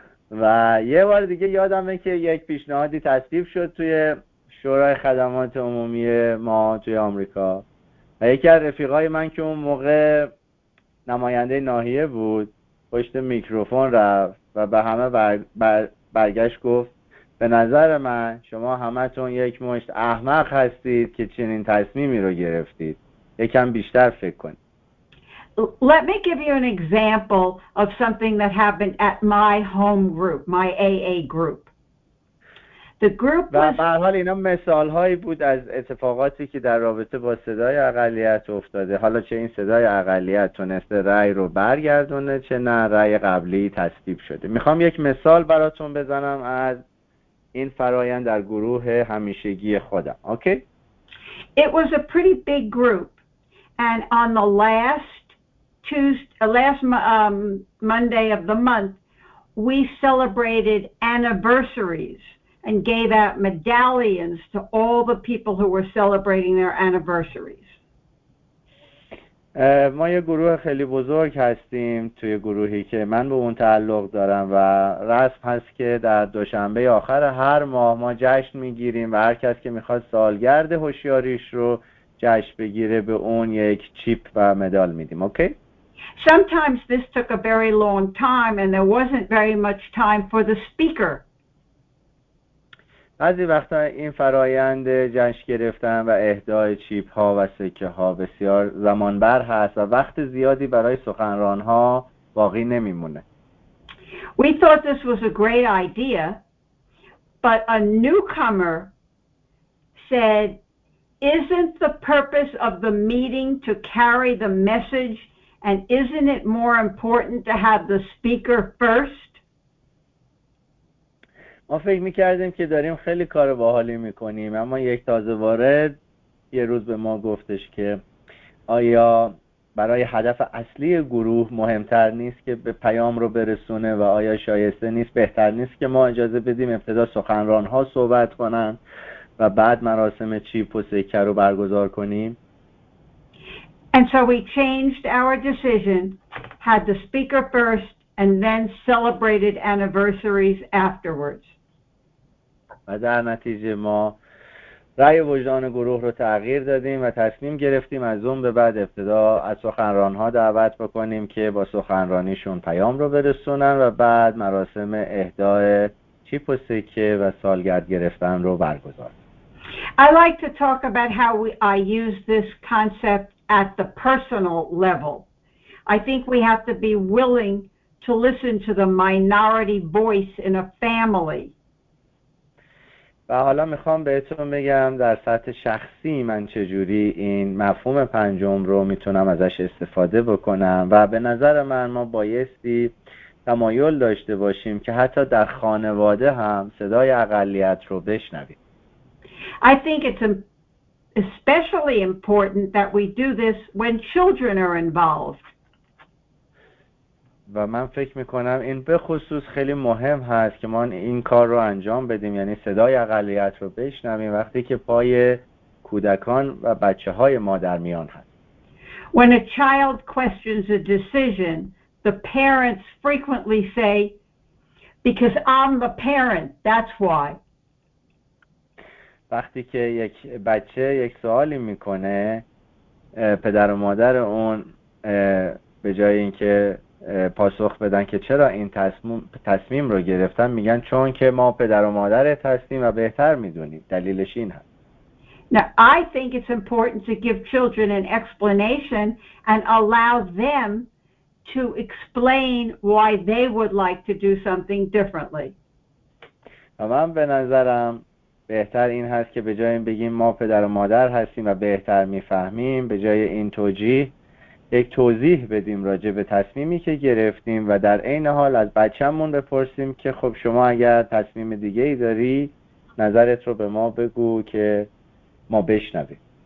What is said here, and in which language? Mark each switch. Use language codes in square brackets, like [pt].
[fa] و یه بار دیگه یادمه که یک پیشنهادی تصدیق شد توی شورای خدمات عمومی ما توی آمریکا، و یکی از رفیقای من که اون موقع نماینده ناحیه بود پشت میکروفون رفت و به همه برگشت گفت، به نظر من شما همتون یک مشت احمق هستید که چنین تصمیمی رو گرفتید، یکم بیشتر فکر کنید. [en] Let me give you an example of something that happened at my home group, my AA group. The group was... [fa] به هر حال اینا مثال هایی بود از اتفاقاتی که در رابطه با صدای اقلیت افتاده. حالا چه این صدای اقلیت تونسته رأی رو برگردونه، چه نه رأی قبلی تصدیق شده. میخوام یک مثال براتون بزنم از این فرایند در گروه همیشگی خودم. اوکی؟ [en] It was a pretty big group, and on the last Monday of the month, we celebrated anniversaries and gave out medallions to all the people who were celebrating their anniversaries. [fa] ما یه گروه خیلی بزرگ هستیم توی گروهی که من به اون تعلق دارم و رسم هست که در دوشنبه آخر هر ماه ما جشن میگیریم و هر کس که میخواد سالگرد هوشیاریش رو جشن بگیره به اون یک چیپ و مدال میدیم. اوکی؟ [en] Sometimes this took a very long time and there wasn't very much time for the speaker. [fa] بعضی وقتا این فرایند جشن گرفتن و اهدای چیپ ها و سکه ها بسیار زمان بر هست و وقت زیادی برای سخنران ها باقی نمیمونه. [en] We thought this was a great idea, but a newcomer said, "Isn't the purpose of the meeting to carry the message? And isn't it more important to have the speaker first?" [fa] ما فکر می‌کردیم که داریم خیلی کار باحالی می‌کنیم، اما یک تازه وارد یه روز به ما گفتش که آیا برای هدف اصلی گروه مهمتر نیست که به پیام رو برسونه و آیا شایسته نیست، بهتر نیست که ما اجازه بدیم ابتدا سخنران‌ها صحبت کنن و بعد مراسم چیپ و سکه رو برگزار کنیم؟ [en] And so we changed our decision, had the speaker first, and then celebrated anniversaries afterwards. [fa] و در نتیجه ما رأی وجدان گروه رو تغییر دادیم و تصمیم گرفتیم از اون به بعد ابتدا از سخنران‌ها دعوت بکنیم که با سخنرانیشون پیام رو برسونن و بعد مراسم اهدای چیپ و سکه و سالگرد گرفتن رو برگزار. [en] I like to talk about how I use this concept at the personal level. I think we have to be willing to listen to the minority voice in a family. [fa] و حالا میخوام بهتون بگم در سطح شخصی من چجوری این مفهوم پنجم رو میتونم ازش استفاده بکنم و به نظر من ما بایستی تمایل داشته باشیم که حتی در خانواده هم صدای اقلیت رو بشنویم. [en] I think it's especially important that we do this when children are involved. [fa] و من فکر می‌کنم این به خصوص خیلی مهم هست که ما این کار رو انجام بدیم، یعنی صدای اقلیت رو بشنویم وقتی که پای کودکان و بچه‌های ما در میان هست. [en] When a child questions a decision, the parents frequently say, "Because I'm the parent, that's why." [fa] وقتی که یک بچه یک سوالی میکنه، پدر و مادر اون به جای اینکه پاسخ بدن که چرا این تصمیم رو گرفتن، میگن چون که ما پدر و مادرت هستیم و بهتر میدونیم، دلیلش این هست. [en] Now, I think it's important to give children an explanation and allow them to explain why they would like to do something differently. [fa] و من به نظرم بهتر این هست که به جای این بگیم ما پدر و مادر هستیم و بهتر میفهمیم، به جای این توجیه یک توضیح بدیم راجع به تصمیمی که گرفتیم و در این حال از بچه‌مون بپرسیم که خب شما اگر تصمیم دیگه ای داری نظرت رو به ما بگو که ما بشنویم.